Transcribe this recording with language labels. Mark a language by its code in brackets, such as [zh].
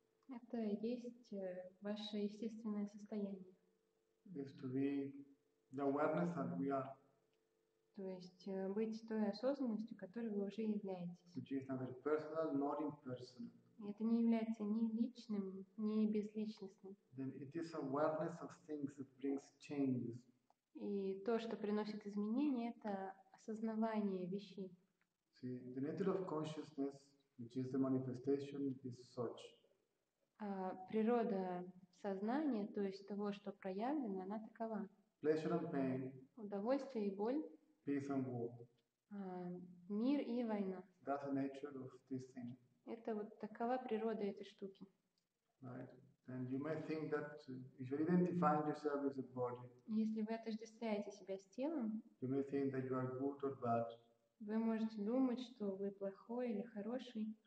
[ru] Это есть ваше естественное состояние. [en] Is to be the awareness that we are. [ru] То есть быть той осознанностью, которой вы уже являетесь. [en] Which is neither personal nor impersonal. [ru] Это не является ни личным, ни безличностным. [en] Then it is awareness of things that brings changes. [ru] И то, что приносит изменения, это осознавание вещей. [en] See, the nature of consciousness, which is the manifestation, is such. [ru] Природа сознания, то есть того, что проявлено, она такова. [en] Pleasure and pain. [ru] Удовольствие и боль. [en] Peace and war. [ru] Мир и война. [en] That's the nature of this thing. [ru] Это вот такова природа этой штуки. [en] Right. And you may think that if you identify yourself with the body, [ru] если вы отождествляете себя с телом, [en] you may think that you are good or bad. [ru] Вы можете думать, что вы плохой или хороший.